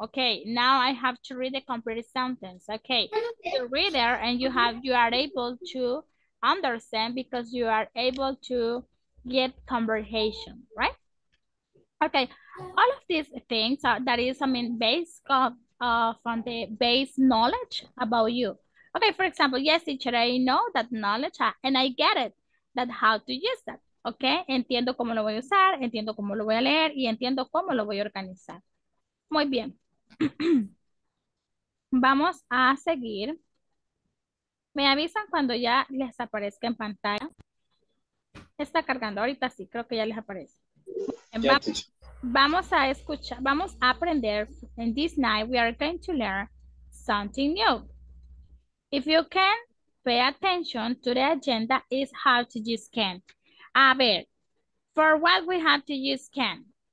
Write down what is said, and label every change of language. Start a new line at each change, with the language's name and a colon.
English: Okay, now I have to read the complete sentence. Okay, the reader and you have, you are able to understand because you are able to get conversation, right? Okay, all of these things are, that is, I mean, based from the base knowledge about you. Okay, for example, yes, teacher, I know that knowledge and I get it. That how to use that. ¿Ok?
Spanish: Entiendo cómo lo voy a usar, entiendo cómo lo voy a leer y entiendo cómo lo voy a organizar. Muy bien. Vamos a seguir. Me avisan cuando ya les aparezca en pantalla. Está cargando ahorita, sí, creo que ya les aparece. Vamos a escuchar, vamos a aprender.
English: In this night, we are going to learn something new. If you can pay attention to the agenda, is how to use can.
Spanish: A ver,
English: for what we have to use can?